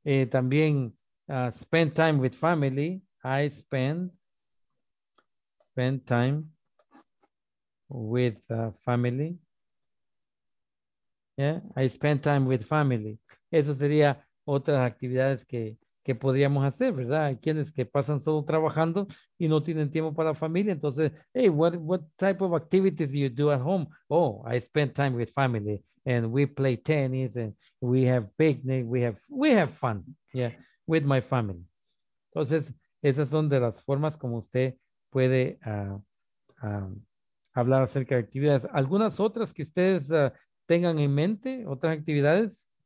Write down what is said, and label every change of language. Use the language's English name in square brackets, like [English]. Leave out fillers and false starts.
[English] También spend time with family. I spend time with family. Yeah, I spend time with family. [Spanish] Eso sería otras actividades que podríamos hacer, ¿verdad? Hay quienes que pasan solo trabajando y no tienen tiempo para la familia. [English] Entonces, hey, what type of activities do you do at home? Oh, I spend time with family and we play tennis and we have picnic, we have fun, yeah, with my family. [Spanish] Entonces, esas son de las formas como usted puede hablar acerca de actividades. ¿Algunas otras que ustedes tengan en mente, otras actividades?